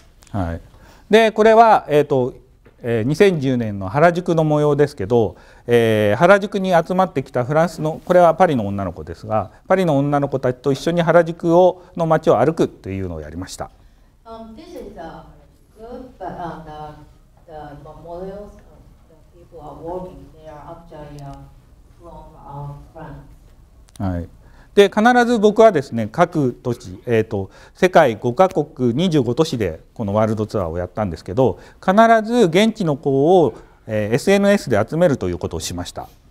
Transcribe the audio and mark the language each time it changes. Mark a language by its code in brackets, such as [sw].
[ja] はい、でこれは、2010年の原宿の模様ですけど、原宿に集まってきたフランスのこれはパリの女の子ですがパリの女の子たちと一緒に原宿をの街を歩くというのをやりました。 [en] This is the group, but, the models, the people are walking there actually from, France. [ja] はい、で必ず僕はですね各都市、世界5カ国25都市でこのワールドツアーをやったんですけど必ず現地の子を、SNS で集めるということをしました。